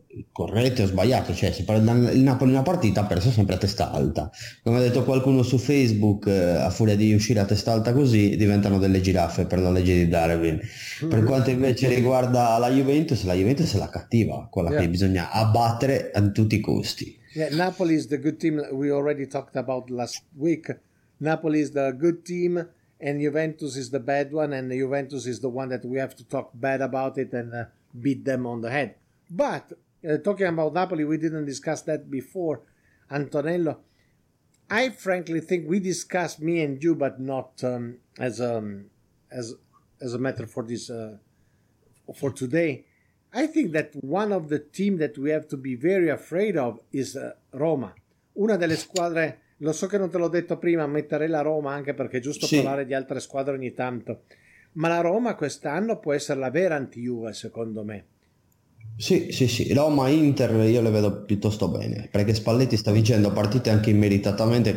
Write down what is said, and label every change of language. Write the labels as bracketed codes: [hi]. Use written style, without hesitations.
[it] Corretti o sbagliati, cioè si parla il Napoli in una partita, ha perso sempre a testa alta. Come ha detto qualcuno su Facebook, a furia di uscire a testa alta così diventano delle giraffe, per la legge di Darwin. Per quanto invece riguarda la Juventus è la cattiva, quella che bisogna abbattere a tutti i costi. [en] Napoli is the good team we already talked about last week. Napoli is the good team and Juventus is the bad one, and Juventus is the one that we have to talk bad about it and beat them on the head. But talking about Napoli, we didn't discuss that before, Antonello. I frankly think we discussed, me and you, but not as a matter for this for today. I think that one of the team that we have to be very afraid of is Roma. [it] Una delle squadre, lo so che non te l'ho detto prima, metterei la Roma anche perché è giusto parlare di altre squadre ogni tanto. Ma la Roma quest'anno può essere la vera anti-Juve, secondo me. Sì. Roma, Inter, io le vedo piuttosto bene, perché Spalletti sta vincendo partite anche immeritatamente.